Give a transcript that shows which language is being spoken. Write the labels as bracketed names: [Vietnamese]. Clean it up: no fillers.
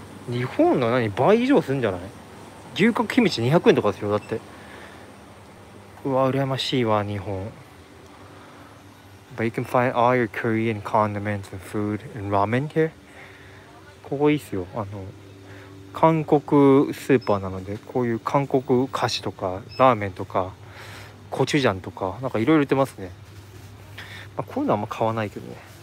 [Japanese] 日本の何倍以上するんじゃない？牛角キムチ200円とかですよ、だって。うわ、羨ましいわ、日本。 [English] But you can find all your Korean condiments and food and ramen here. [Japanese] ここいいっすよ。あの、韓国スーパーなので、こういう韓国菓子とか、ラーメンとか、コチュジャンとか、なんかいろいろ売ってますね。まあ、こういうのはあんま買わないけどね。